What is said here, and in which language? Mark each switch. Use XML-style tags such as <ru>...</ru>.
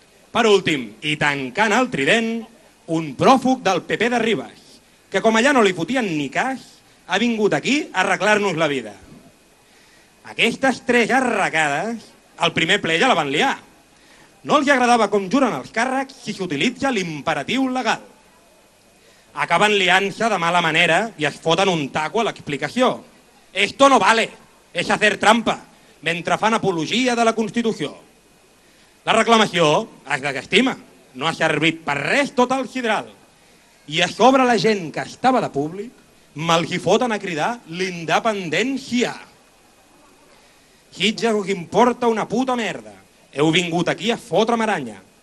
<ca>Per últim, i tancant el trident, un pròfug del PP de Ribes, que com allà no li fotien ni cas, ha vingut aquí a arreglar-nos la vida. Aquestes tres arracades, el primer ple ja la van liar. No els agradava com juren els càrrecs si s'utilitza l'imperatiu legal. Acaben liant-se de mala manera i es foten un taco a l'explicació.</ca> <es>Esto no vale, es hacer trampa,</es> <ca>mentre fan apologia de la Constitució. La reclamació es desestima, no ha servit per res tot el sidral. I a sobre la gent que estava de públic, me'ls hi foten a cridar l'independència. Sitges, us importa una puta merda. Heu vingut aquí a fotre maranya.</ca>